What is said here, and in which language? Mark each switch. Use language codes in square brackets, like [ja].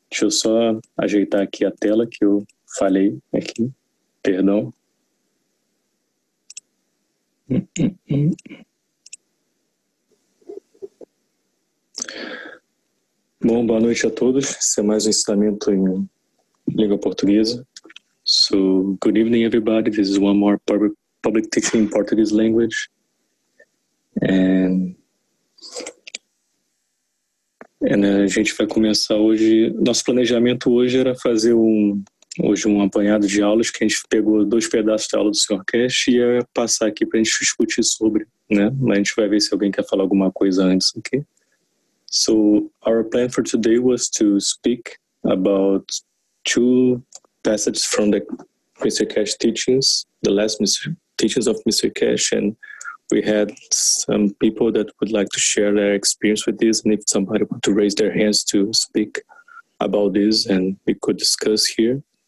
[pt] Deixa eu só ajeitar aqui a tela que eu falei aqui. Perdão. Bom, boa noite a todos. Esse é mais um ensinamento em língua portuguesa. [en] So, good evening, everybody. This is one more public teaching in Portuguese language. [pt] And a gente vai começar hoje. Nosso planejamento hoje era fazer um apanhado de aulas, que a gente pegou dois pedaços da aula do Sr. Cash e ia passar aqui para a gente discutir sobre, né? A gente vai ver se alguém quer falar alguma coisa antes, ok? [en] So, our plan for today was to speak about two passages from the Mr. Cash teachings, the last teachings of Mr. Cash, and we had some people that would like to share their experience with this, and if somebody would to raise their hands to speak about this, and we could discuss here.